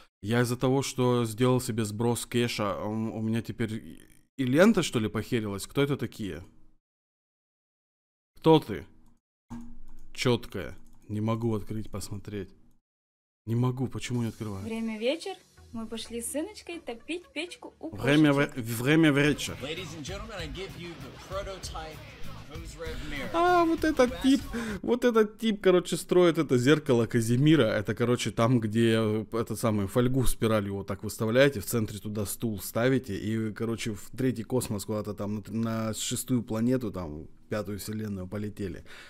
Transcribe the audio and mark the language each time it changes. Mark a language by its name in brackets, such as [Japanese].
[Russian] Я из-за того, что сделал себе сброс кэша, у меня теперь и лента, что ли, похерилась? Кто это такие? Кто ты? Четкая. Не могу открыть, посмотреть. Не могу, почему не открываю? Время вечер? Мы пошли с сыночкой топить печку у кошечек. Время вечер. [English] Ladies and gentlemen, I give you the prototype. [Russian] А, вот этот тип, короче, строит это зеркало Казимира. Это, короче, там, где этот самый фольгу спиралью вот так выставляете, в центре туда стул ставите, и, короче, в третий космос куда-то там, на шестую планету, там, пятую вселенную полетели.